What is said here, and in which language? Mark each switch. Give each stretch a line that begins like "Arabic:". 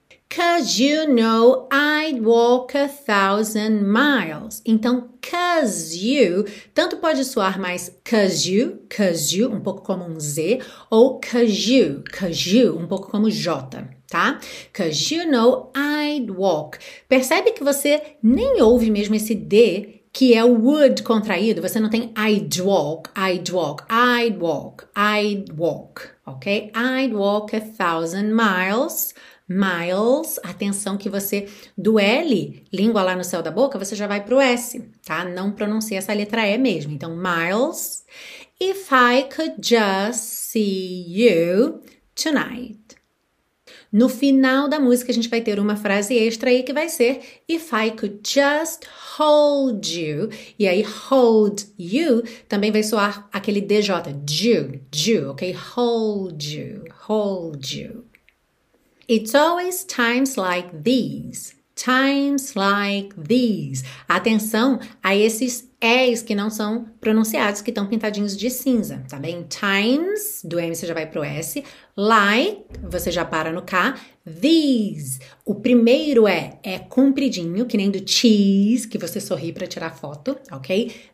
English: 'Cause you know I'd walk 1,000 miles.
Portuguese: Então, 'cause you, tanto pode soar mais 'cause you, um pouco como um Z, ou 'cause you, um pouco como J, tá?
English: 'Cause you know I'd walk.
Portuguese: Percebe que você nem ouve mesmo esse D, que é o would contraído, você não tem I'd walk, I'd walk, I'd walk, I'd walk, ok?
English: I'd walk 1,000 miles,
Portuguese: miles, atenção que você, do L, língua lá no céu da boca, você já vai pro S, tá? Não pronuncia essa letra E mesmo, então miles.
English: If I could just see you tonight.
Portuguese: No final da música, a gente vai ter uma frase extra aí que vai ser
English: if I could just hold you.
Portuguese: E aí, hold you também vai soar aquele DJ, you, ok?
English: Hold you, hold you. It's always times like these, times like these.
Portuguese: Atenção a esses E's que não são pronunciados, que estão pintadinhos de cinza, tá bem? Times, do M você já vai pro S. Like, você já para no K. These, o primeiro é compridinho, que nem do cheese, que você sorri pra tirar foto, ok?